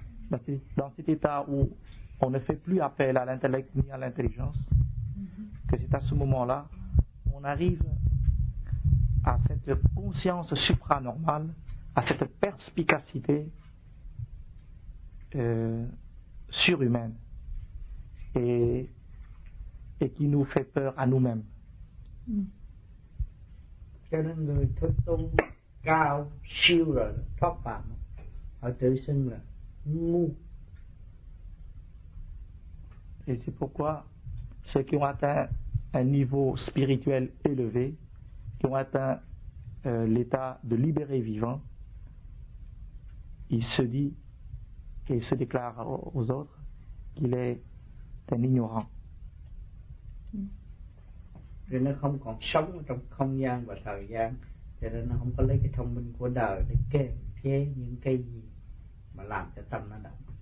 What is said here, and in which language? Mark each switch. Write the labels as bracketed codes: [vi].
[fr] dans cet état où on ne fait plus appel à l'intellect ni à l'intelligence, que c'est à ce moment-là on arrive à cette conscience supranormale, à cette perspicacité surhumaine et qui nous fait peur à nous-mêmes. [vi] Cho nên người thức tâm cao siêu rồi thoát phạm, họ tự xưng là ngu. [fr] Et c'est pourquoi ceux qui ont atteint un niveau spirituel élevé, qui ont atteint l'état de libéré vivant, il se dit et se déclare aux autres qu'il est un ignorant. [vi] Cho nên không còn sống trong không gian và thời gian, cho nên nó không có lấy cái thông minh của đời để kiềm chế những cái gì mà làm cho tâm nó động.